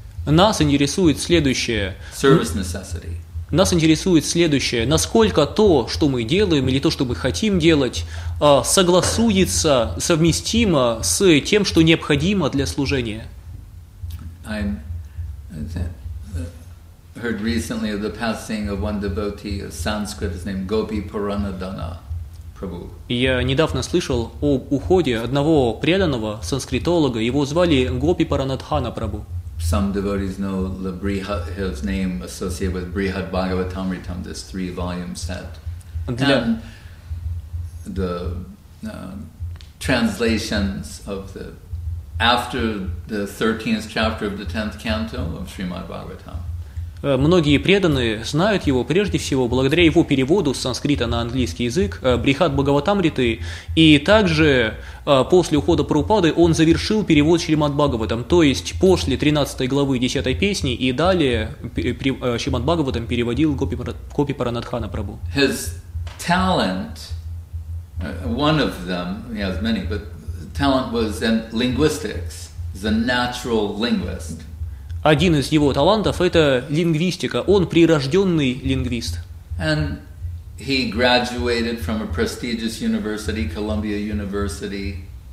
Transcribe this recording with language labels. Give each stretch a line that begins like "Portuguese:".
Russian: Нас интересует следующее.
English: Service necessity.
Russian: Нас интересует следующее. Насколько то, что мы делаем, или то, что мы хотим делать, согласуется, совместимо с тем, что необходимо для служения.
English: I heard recently of the passing of one devotee of Sanskrit, his name Gopi Puranadana.
Russian: Я недавно слышал об уходе одного преданного санскритолога. Его звали Гопи Паранатхана Прабу.
English: Some devotees know the Brihad, his name associated with Brihad Bhagavatamritam, this three-volume set. And the translations of the after the 13th chapter of the 10th canto of Srimad Bhagavatam.
Russian: Многие преданные знают его прежде всего благодаря его переводу с санскрита на английский язык Брихад Бхагаватамриты, и также после ухода Прабхупады он завершил перевод Шримад Бхагаватам, то есть после 13 главы 10 песни и далее Шримад Бхагаватам переводил Гопи Паранатхана Прабу.
English: His talent, one of them, he has many, but talent was in linguistics, the natural linguist.
Russian: Один из его талантов – это лингвистика. Он прирожденный лингвист.
English: And he graduated from a prestigious university, Columbia University.